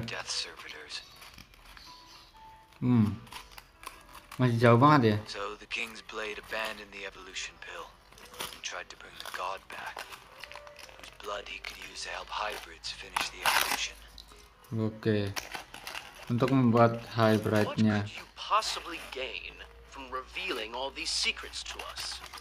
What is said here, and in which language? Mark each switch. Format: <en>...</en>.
<en>Death Servitors.</en> <id>Masih jauh banget ya.</id> <en>So the King's Blade abandoned the evolution pill and tried to bring the god back, whose blood he could use to help hybrids finish the evolution.</en> <id>Oke. Untuk membuat hybridnya.</id> <en>What could you possibly gain from revealing all these secrets to us?</en>